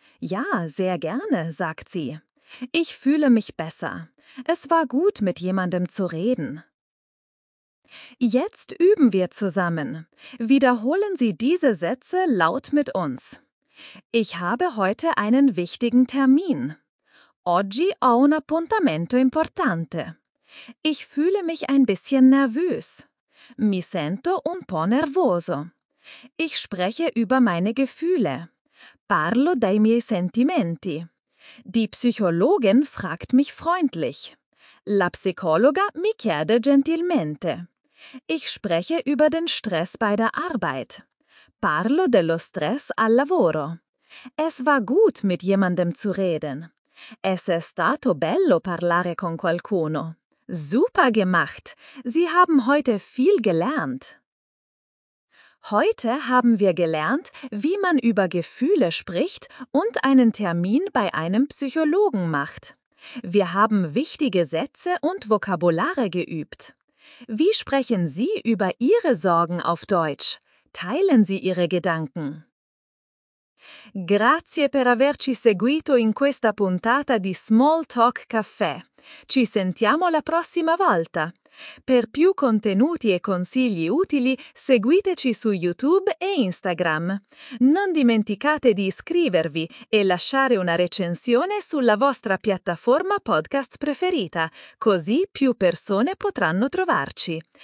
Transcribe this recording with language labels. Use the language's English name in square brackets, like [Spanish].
[German] Ja, sehr gerne, sagt sie. Ich fühle mich besser. Es war gut, mit jemandem zu reden. Jetzt üben wir zusammen. Wiederholen Sie diese Sätze laut mit uns. Ich habe heute einen wichtigen Termin. [Italian] Oggi ho un appuntamento importante. [German] Ich fühle mich ein bisschen nervös. [Italian] Mi sento un po' nervoso. [German] Ich spreche über meine Gefühle. [Italian] Parlo dei miei sentimenti. [German] Die Psychologin fragt mich freundlich. [Italian] La psicologa mi chiede gentilmente. [German] Ich spreche über den Stress bei der Arbeit. [Italian] Parlo dello stress al lavoro. [German] Es war gut, mit jemandem zu reden. [Italian] Es è stato bello parlare con qualcuno. [German] Super gemacht! Sie haben heute viel gelernt. Heute haben wir gelernt, wie man über Gefühle spricht und einen Termin bei einem Psychologen macht. Wir haben wichtige Sätze und Vokabulare geübt. Wie sprechen Sie über Ihre Sorgen auf Deutsch? Teilen Sie Ihre Gedanken. [Italian] Grazie per averci seguito in questa puntata di Small Talk Caffè. Ci sentiamo la prossima volta. Per più contenuti e consigli utili, seguiteci su YouTube e Instagram. Non dimenticate di iscrivervi e lasciare una recensione sulla vostra piattaforma podcast preferita, così più persone potranno trovarci.